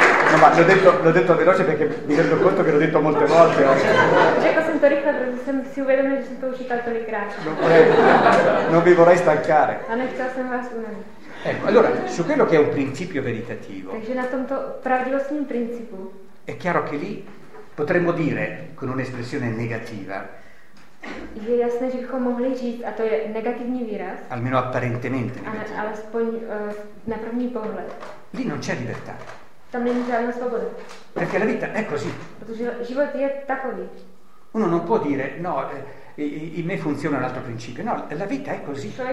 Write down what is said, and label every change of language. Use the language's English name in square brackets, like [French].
[Italian] No, ma l'ho detto veloce perché mi rendo conto che l'ho detto molte volte. Ecco, sento ricordo, sono si uvedono che sono uscito altro di grazie. Non vi vorrei stancare. Ma non c'è nessuna. Ecco, allora, su quello che è un principio veritativo. [Czech] Takže na tomto pravdivostním principu. [Italian] È chiaro che lì potremmo dire con un'espressione negativa. [Czech] Je jasné, že bychom mohli říct, a to je negativní výraz. [Italian] Almeno apparentemente negativo. [Czech] Alespoň na první pohled. [Italian] Lì non c'è libertà. [Czech] Tam není žádná svoboda. [Italian] Perché la vita è così. [Czech] Protože život je takový. [Italian] Uno non può dire no. In me funziona un altro principio. No, la vita è così.